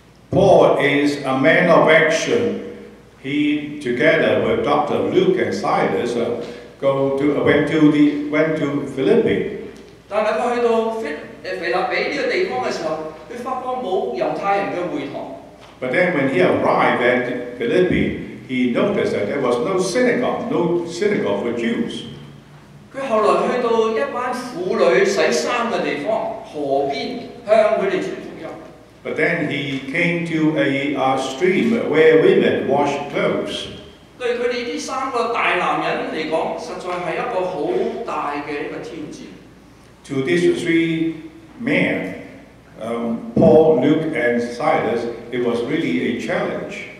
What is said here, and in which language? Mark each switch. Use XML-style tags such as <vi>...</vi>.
<en>Paul is a man of action. He together with Dr. Luke and Silas went to Philippi.</en> <zh>但是他去到腓立比這個地方的時候他發覺沒有猶太人的會堂。</zh> <en>But then when he arrived at Philippi, he noticed that there was no synagogue for Jews.</en> <zh>他後來去到一班婦女洗衣服的地方,河邊,向他們傳福音。</zh> <en>But then he came to a stream where women wash clothes.</en> <zh>對他們這三個大男人來說,實在是一個很大的挑戰。</zh> <en>To these three men, Paul, Luke, and Silas, it was really a challenge.</en>